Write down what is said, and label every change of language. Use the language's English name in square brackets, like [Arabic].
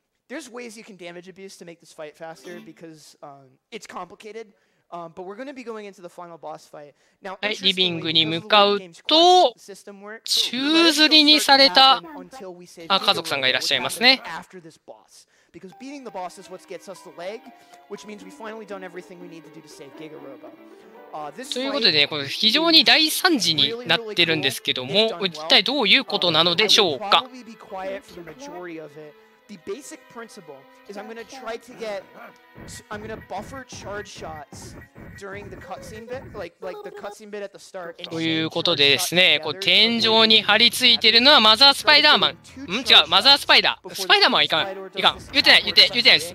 [English] There's ways you can damage abuse to make this fight faster because it's complicated. But we're going to be going into the final boss fight. [Japanese] Now, はい、リビングに向かうと宙吊りにされた、あ、家族さんがいらっしゃいますね。 [English] After this boss, because beating the boss is what gets us the leg, which means we finally done everything we need to do to save Giga Robo. [Japanese] ということでね、これ非常に大惨事になってるんですけども、一体どういうことなのでしょうか。 [English] The basic principle is I'm going to try to get, I'm going to buffer charge shots during the cutscene bit, like the cutscene bit at the start. [Japanese] ということでですね、こう天井に張り付いてるのはマザースパイダーマン。ん？違う、マザースパイダー。スパイダーマンはいかん。いかん。言ってない、言ってないです。